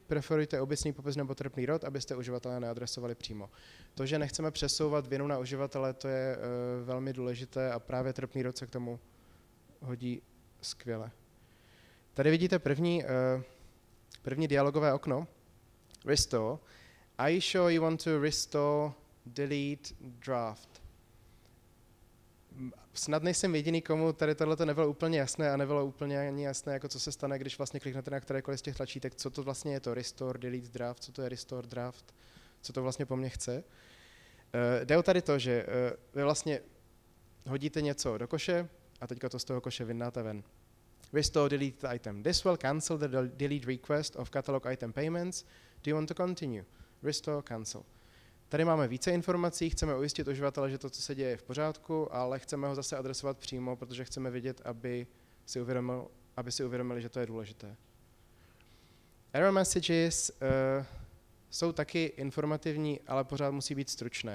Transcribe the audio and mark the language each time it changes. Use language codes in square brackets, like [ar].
[cs] Preferujte obecný popis nebo trpný rod, abyste uživatele neadresovali přímo. To, že nechceme přesouvat vinu na uživatele, to je velmi důležité a právě trpný rod se k tomu hodí skvěle. Tady vidíte první dialogové okno. [en] Restore. Are you sure you want to restore delete draft. [cs] Snad nejsem jediný, komu tady tohle to nebylo úplně jasné a nebylo úplně ani jasné, jako co se stane, když vlastně kliknete na kterékoliv z těch tlačítek, co to vlastně je to [en] restore, delete draft, [cs] co to je [en] restore draft, [cs] co to vlastně po mně chce. Jde o tady to, že vy vlastně hodíte něco do koše a teďka to z toho koše vyndáte ven. [en] Restore, delete item. This will cancel the delete request of catalog item payments. Do you want to continue? Restore, cancel. [cs] Tady máme více informací, chceme ujistit uživatele, že to, co se děje, je v pořádku, ale chceme ho zase adresovat přímo, protože chceme vidět, aby si uvědomili, že to je důležité. Error messages jsou taky informativní, ale pořád musí být stručné.